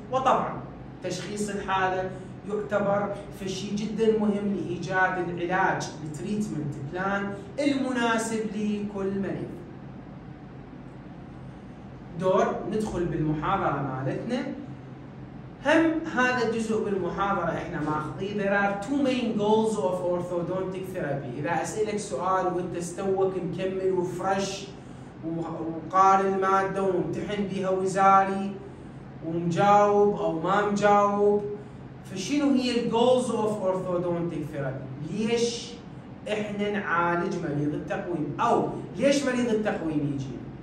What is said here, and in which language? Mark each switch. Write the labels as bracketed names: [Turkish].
[Arabic] وطبعا تشخيص الحاله يعتبر فشي جدا مهم لايجاد العلاج التريتمنت بلان المناسب لكل مريض. دور ندخل بالمحاضره مالتنا. ها هم هذا الجزء بالمحاضرة إحنا ماخذين. [English] There are two main goals of orthodontic therapy. [Arabic] إذا أسألك سؤال وأنت استوك مكمل وفرش وقارن المادة وامتحن بها وزاري ومجاوب أو ما مجاوب، فشنو هي الـ [English] goals of orthodontic therapy؟ [Arabic] ليش إحنا نعالج مريض التقويم؟ أو ليش مريض التقويم يجي؟